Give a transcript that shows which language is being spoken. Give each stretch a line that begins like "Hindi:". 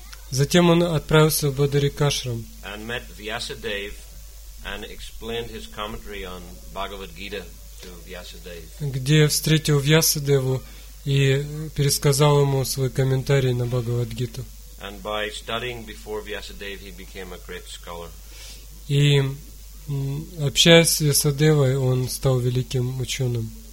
Russian: Затем он отправился в Бадарик Ашрам.
English: And met Vyasadeva and explained his commentary on Bhagavad Gita to Vyasadeva.
Russian: Где встретил Вьясадеву и пересказал ему свой комментарий на Бхагавад-гиту.
English: And by studying before Vyasadeva, he became a great scholar.
Russian: И общаясь с Вьясадевой, он стал великим ученым.